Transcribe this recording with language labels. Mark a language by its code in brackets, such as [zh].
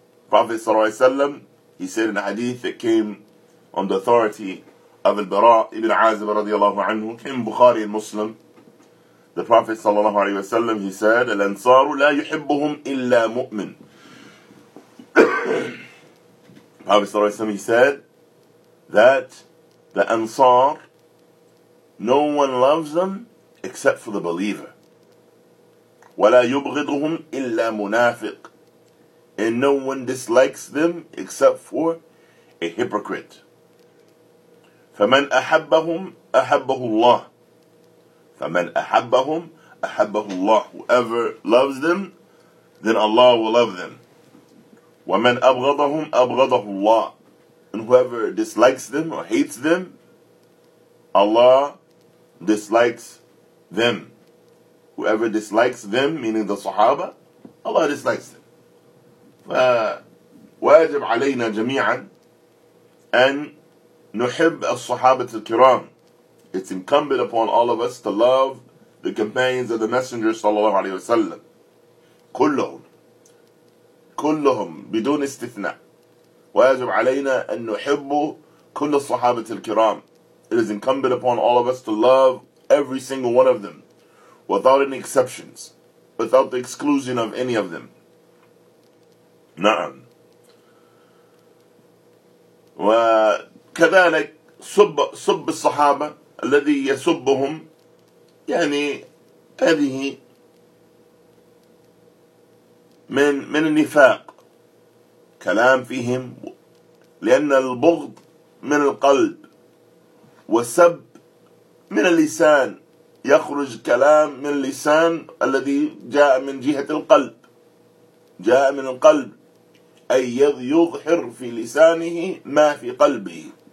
[en] Prophet صلى الله عليه وسلم he said in a hadith that came on the authority of البراء ابن عازب رضي الله عنه came بخاري المسلم the Prophet صلى الله عليه وسلم he said [ar] الأنصار لا يحبهم إلا مؤمن [en] Prophet صلى الله عليه وسلم he said that the Ansar no one loves them except for the believer. [ar] وَلَا يُبْغِضُهُمْ إِلَّا مُنَافِقٍ [en] And no one dislikes them except for a hypocrite. فَمَنْ أَحَبَّهُمْ أَحَبَّهُ اللَّهُ فَمَنْ أَحَبَّهُمْ أَحَبَّهُ اللَّهُ Whoever loves them, then Allah will love them. [ar] وَمَنْ أَبْغَضَهُمْ أَبْغَضَهُ اللَّهُ [en] And whoever dislikes them or hates them, Allah dislikes them. Whoever dislikes them, meaning the Sahaba, Allah dislikes them. [ar] فواجب علينا جميعا أن نحب الصحابة الكرام. [en] It's incumbent upon all of us to love the companions of the Messenger صلى الله عليه وسلم. [ar] كلهم بدون استثناء. واجب علينا أن نحب كل الصحابة الكرام. [en] It is incumbent upon all of us to love every single one of them, without any exceptions, without the exclusion of any of them. [ar] نعم. وكذلك سب الصحابة الذي يسبهم يعني هذه من النفاق كلام فيهم لأن البغض من القلب والسب من اللسان يخرج كلام من اللسان الذي جاء من جهة القلب جاء من القلب أي يظهر في لسانه ما في قلبه